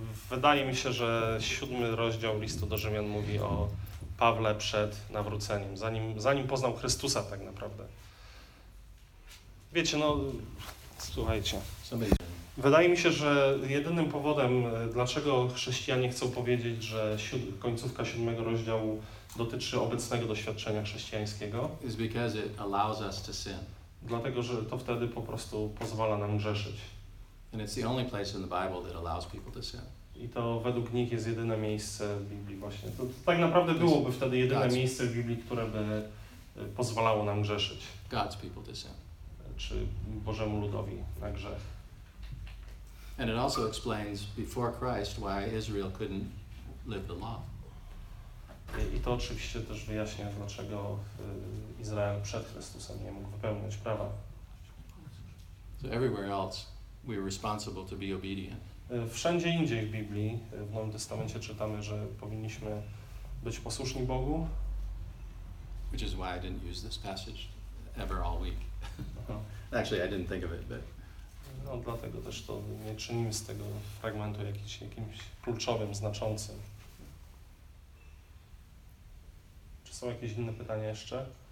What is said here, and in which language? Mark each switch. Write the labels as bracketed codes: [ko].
[pl] Wydaje mi się, że 7 rozdział listu do Rzymian mówi o Pawle przed nawróceniem, zanim poznał Chrystusa tak naprawdę. Wiecie, no słuchajcie. Wydaje mi się, że jedynym powodem, dlaczego chrześcijanie chcą powiedzieć, że końcówka 7 rozdziału dotyczy obecnego doświadczenia chrześcijańskiego, [en] is because it allows us to sin. [pl] Dlatego, że to wtedy po prostu pozwala nam grzeszyć. [en] And it's the only place in the Bible that allows people to sin. [pl] I to według nich jest jedyne miejsce w Biblii właśnie. To tak naprawdę byłoby wtedy jedyne God's miejsce w Biblii, które by pozwalało nam grzeszyć. [en] God's people to sin. [pl] Czy Bożemu ludowi na grzech. [en] And it also explains before Christ why Israel couldn't live the law. [pl] I to oczywiście też wyjaśnia, dlaczego Izrael przed Chrystusem nie mógł wypełniać prawa. [en] So everywhere else we are responsible to be obedient. [pl] Wszędzie indziej w Biblii, w Nowym Testamencie czytamy, że powinniśmy być posłuszni Bogu. [en] Which is why I didn't use this passage ever all week. Actually, I didn't think of it, but [pl] no, dlatego też to nie czynimy z tego fragmentu jakimś kluczowym, znaczącym. Czy są jakieś inne pytania jeszcze?